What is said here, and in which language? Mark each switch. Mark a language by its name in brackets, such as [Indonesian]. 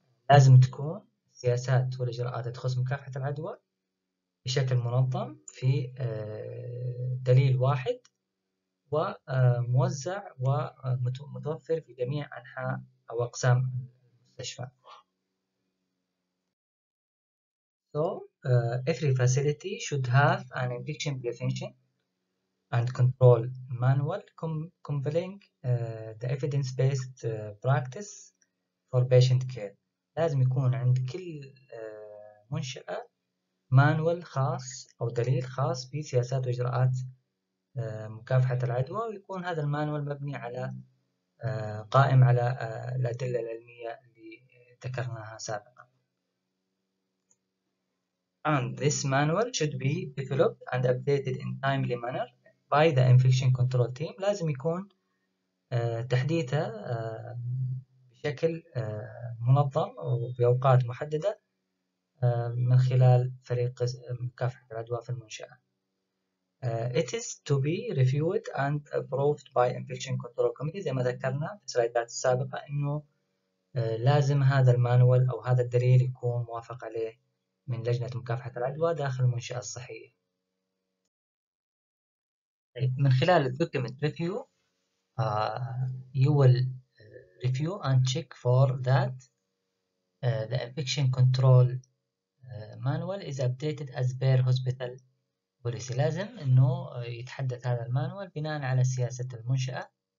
[Arabic] لازم تكون السياسات والإجراءات تخص مكافحة العدوى بشكل منظم في دليل واحد وموزع ومتوفر في جميع أنحاء أو أقسام المستشفى. [English] So, every facility should have an infection prevention and control manual compiling the evidence-based practice for patient care. [Arabic] لازم يكون عند كل منشأة مانوال خاص أو دليل خاص بسياسات وإجراءات مكافحة العدوى، ويكون هذا المانوال مبني على قائم على الأدلة العلمية اللي ذكرناها سابقا. [English] And this manual should be developed and updated in timely manner by the infection control team. [Arabic] لازم يكون تحديثه بشكل منظم وبأوقات محددة من خلال فريق مكافحة العدوى في المنشأة. [English] It is to be reviewed and approved by Infection Control Committee. [Arabic] زي ما ذكرنا في السلايدات السابقة إنه لازم هذا المانوال أو هذا الدليل يكون موافق عليه من لجنة مكافحة العدوى داخل المنشأة الصحية. من خلال الـ [English] Document Review you will review and check for that the Infection Control manual is updated as per hospital policy. [Arabic] لازم انه يتحدث هذا المانوال بناء على سياسة المنشأة.